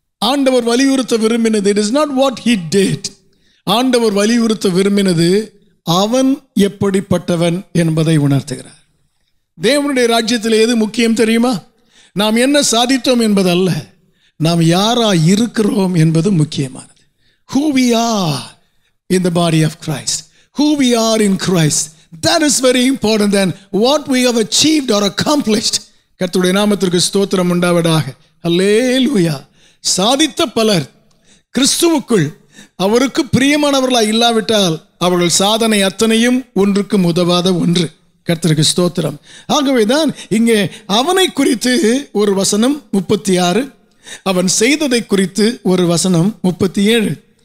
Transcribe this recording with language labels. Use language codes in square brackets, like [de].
[ta] ஆண்டவர் வலியுறுத்த விரும்பினது [en] It is not what he did. [ta] ஆண்டவர் வலியுறுத்த விரும்பினது அவன் எப்படிப்பட்டவன் என்பதை உணர்த்துகிறார். தேவனுடைய ராஜ்யத்தில் எது முக்கியம் தெரியுமா? நாம் என்ன சாதித்தோம் என்பது அல்ல, நாம் யாரா இருக்கிறோம் என்பது முக்கியமானது. [en] Who we are in the body of Christ, who we are in Christ, that is very important than what we have achieved or accomplished. [ta] கர்த்தருடைய நாமத்திற்கு ஸ்தோத்திரம் உண்டாவதாக. அல்லேலூயா. சாதித்த பலர் கிறிஸ்துவுக்குள் அவருக்கு பிரியமானவர்களாக இல்லாவிட்டால் அவர்கள் சாதனை அத்தனையும் ஒன்றுக்கு உதவாத ஒன்று. கர்த்தருக்கு ஸ்தோத்திரம். ஆகவே தான் இங்கே அவனை குறித்து ஒரு வசனம் 36, அவன் செய்ததை குறித்து ஒரு வசனம் 37.